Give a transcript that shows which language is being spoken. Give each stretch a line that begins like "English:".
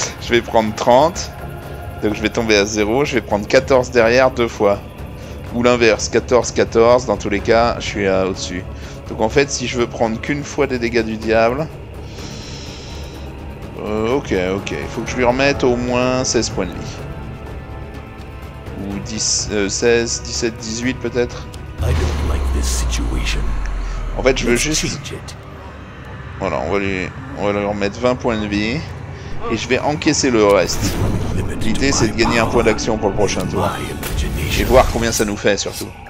French: Je vais prendre 30. Donc je vais tomber à 0. Je vais prendre 14 derrière deux fois. Ou l'inverse, 14, 14. Dans tous les cas, je suis au-dessus. Donc en fait, si je veux prendre qu'une fois des dégâts du diable... ok, ok. Il faut que je lui remette au moins 16 points de vie. Ou 16, 17, 18 peut-être.
English: I don't like this situation.
French: En fait, je veux juste... Voilà, on va lui remettre 20 points de vie. Et je vais encaisser le reste. L'idée, c'est de gagner un point d'action pour le prochain tour. Et voir combien ça nous fait, surtout.